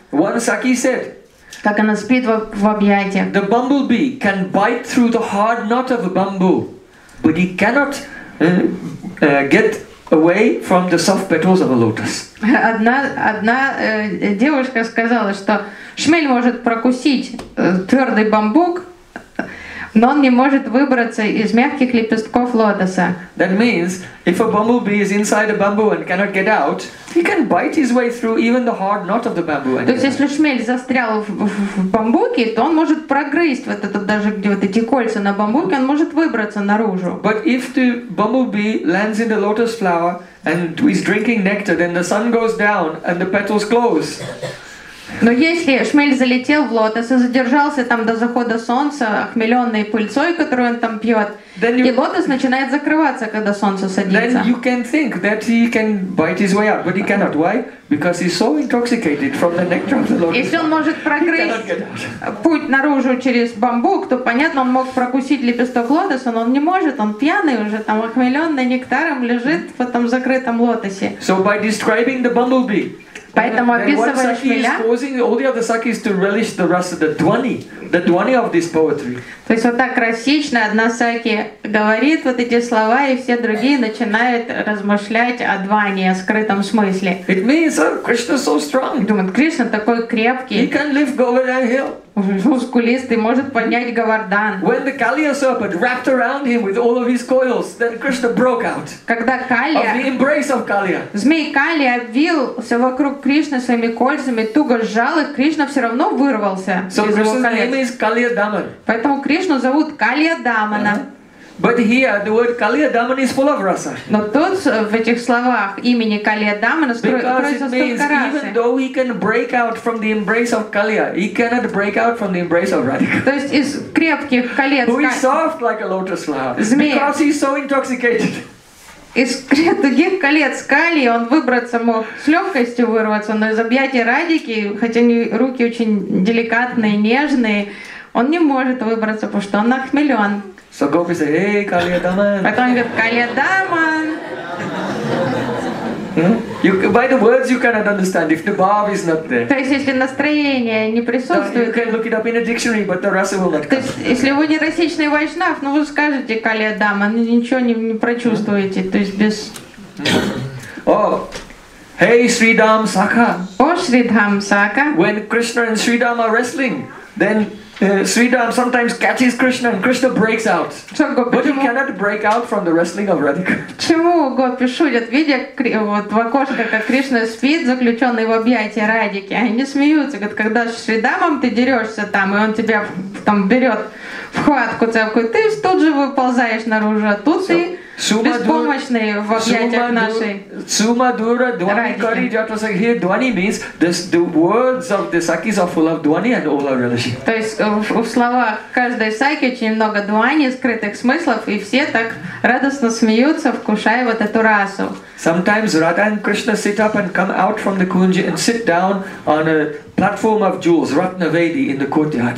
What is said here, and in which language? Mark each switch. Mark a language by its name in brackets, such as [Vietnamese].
[English] One Sakhi said. [Russian] Как она спит в объятиях. [English] The bumblebee can bite through the hard knot of a bamboo, but he cannot get away from the soft petals of a lotus. [Russian] Одна девушка сказала, что шмель может прокусить твердый бамбук. но он не может выбраться из мягких лепестков лотоса. [English] That means if a bumblebee is inside a bamboo and cannot get out, he can bite his way through even the hard knot of the bamboo. [Russian] То есть если шмель застрял в бамбуке, то он может прогрызть вот это даже где вот эти кольца на бамбуке, он может выбраться наружу. [English] But if the bumblebee lands in the lotus flower and is drinking nectar, then the sun goes down and the petals close. [Russian] Но если шмель залетел в лотос и задержался там до захода солнца, охмелённый пыльцой, которую он там пьёт, и лотос начинает закрываться, когда солнце садится. [English] Then you can think that he can bite his way out, but he cannot. Why? Because he's so intoxicated from the nectar of the lotus. [Russian] Если он может прогрызть путь наружу через бамбук, то понятно, он мог прокусить лепесток лотоса, но он не может, он пьяный уже, там охмелённый нектаром лежит в этом закрытом лотосе. [English] So by describing the bumblebee, [Russian] поэтому описывая шмеля, [English] is causing all the other sakis to relish the rasa, the dwani of this poetry. [Russian] То есть вот так красочно одна саки говорит вот эти слова, и все другие начинают размышлять о двани, о скрытом смысле. [English] It means Krishna so strong. [Russian] Думает, Кришна такой крепкий. [English] He can lift Govardhan Hill. [Russian] Мускулистый, может поднять Говардан. [English] When the Kaliya serpent wrapped around him with all of his coils, then Krishna broke out. [Russian] Когда Калия, [English] of the embrace of Kaliya. [Russian] Змей Калия обвился вокруг Кришны своими кольцами, туго сжал их, Кришна все равно вырвался. [English] So Krishna's name is Kaliya Daman. [Russian] Поэтому Кришну зовут Калия Дамана. [English] But here the word Kaliya Daman is full of rasa. [Russian] Но тут в этих словах имени Калия Дамана скрывается столько расы. [English] Even though he can break out from the embrace of Kaliya, he cannot break out from the embrace of Radhika. [Russian] То есть из крепких колец. [English] Who is soft like a lotus flower? [Russian] Змея. [English] Because he's so intoxicated. [Russian] Из крепких колец Калии он выбраться мог с легкостью вырваться, но из объятий Радики, хотя руки очень деликатные, нежные, он не может выбраться, потому что он нахмелен. [English] So Gopi says, hey, Kaliya Daman. [Russian] Потом он говорит, Kaliya Daman. [English] By the words you cannot understand if the bhav is not there. [Russian] То есть если настроение не присутствует. [English] You can look it up in a dictionary, but the rasa will not come. [Russian] То есть если вы не расичный вайшнав, ну вы скажете Kaliya Daman, ничего не прочувствуете, то есть без. [English] О, hey, Sridham Sakha. [Russian] О, Sridham Sakha. [English] When Krishna and Sridham are wrestling, then Sridham sometimes catches Krishna and Krishna breaks out. But he cannot break out from the wrestling of Radhika. [Russian] Чему гопи шутят, видя вот в окошко, как Кришна спит, заключенный в объятия Радики, они смеются, говорят, когда с Шридамом ты дерешься там, и он тебя там берет в хватку цепку, ты тут же выползаешь наружу, а тут ты беспомощный в объятиях нашей. [Sanskrit] Sumadura Dwani Kari Jatrasakhi. [English] Here Dwani means this, the words of the Sakis are full of Dwani and all are relishing. [Russian] То есть в словах каждой Саки очень много Дуани, скрытых смыслов, и все так радостно смеются, вкушая вот эту расу. [English] Sometimes Radha and Krishna sit up and come out from the kunja and sit down on a platform of jewels, Ratnavedi, in the courtyard.